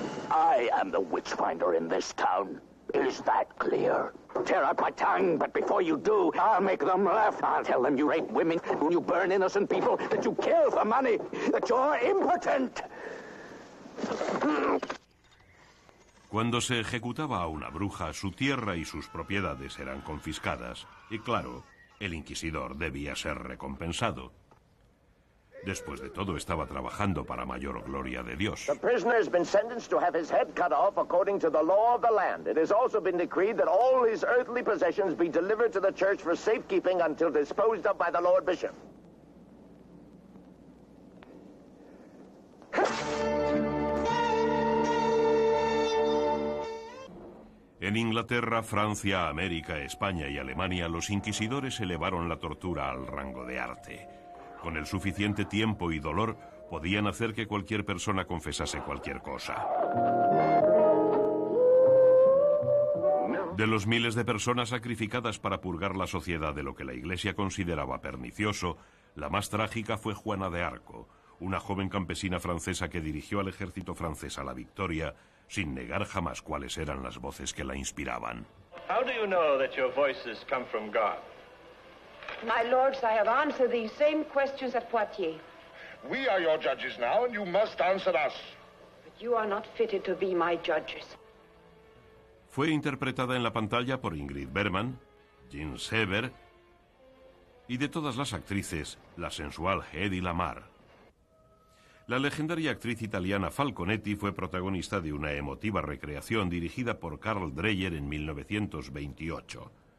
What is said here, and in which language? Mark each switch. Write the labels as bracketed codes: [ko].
[en] I am the witch finder in this town. Is that clear? Tear out my tongue, but before you do, I'll make them laugh. I'll tell them you rape women, you burn innocent people, that you kill for money, that you're impotent. [es] Cuando se ejecutaba a una bruja, su tierra y sus propiedades eran confiscadas, y claro, el inquisidor debía ser recompensado. Después de todo, estaba trabajando para mayor gloria de Dios. [en] The prisoner has been sentenced to have his head cut off according to the law of the land. It has also been decreed that all his earthly possessions be delivered to the church for safekeeping until disposed of by the Lord Bishop. [es] En Inglaterra, Francia, América, España y Alemania, los inquisidores elevaron la tortura al rango de arte. Con el suficiente tiempo y dolor, podían hacer que cualquier persona confesase cualquier cosa. De los miles de personas sacrificadas para purgar la sociedad de lo que la Iglesia consideraba pernicioso, la más trágica fue Juana de Arco, una joven campesina francesa que dirigió al ejército francés a la victoria, sin negar jamás cuáles eran las voces que la inspiraban. [en] How do you know that your voices come from God? My lords, I have answered these same questions at Poitiers. We are your judges now, and you must answer us. But you are not fitted to be my judges. [es] Fue interpretada en la pantalla por Ingrid Bergman, Jean Seber, y de todas las actrices, la sensual Hedy Lamarr. La legendaria actriz italiana Falconetti fue protagonista de una emotiva recreación dirigida por Carl Dreyer en 1928.